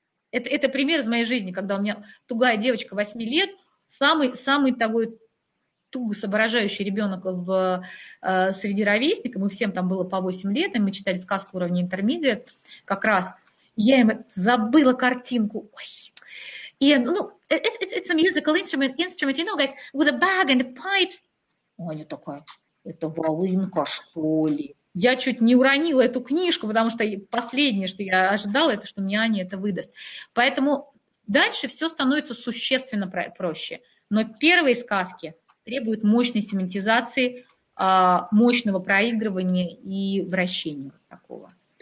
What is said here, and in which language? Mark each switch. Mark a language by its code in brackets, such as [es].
[ru] Это пример из моей жизни, когда у меня тугая девочка 8 лет, самый такой туго соображающий ребенок в среди ровесников, мы всем там было по 8 лет, и мы читали сказку уровня интермедиат, как раз я им забыла картинку. Ой. [en] И, ну, it's a musical instrument, you know, guys, with a bag and a pipe. [ru] Аня такая, это волынка, что ли? Я чуть не уронила эту книжку, потому что последнее, что я ожидала, это что мне Аня это выдаст. Поэтому дальше все становится существенно проще. Но первые сказки требует мощной семантизации, мощного проигрывания и вращения такого.